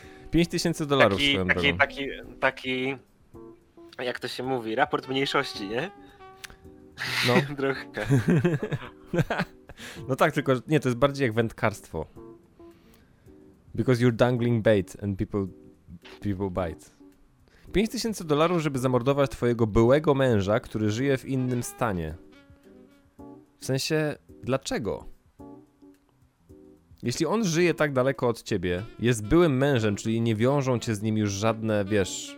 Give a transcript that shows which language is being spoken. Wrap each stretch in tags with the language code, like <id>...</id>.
<pl>5000 dolarów taki, swoją drogą. Taki, jak to się mówi, raport mniejszości, nie? No. Trochę. No tak, tylko nie, to jest bardziej jak wędkarstwo.</pl> <en>Because you're dangling bait and people bite.</en> <pl>5000 dolarów, żeby zamordować twojego byłego męża, który żyje w innym stanie. W sensie, dlaczego? Jeśli on żyje tak daleko od ciebie, jest byłym mężem, czyli nie wiążą cię z nim już żadne, wiesz...</pl>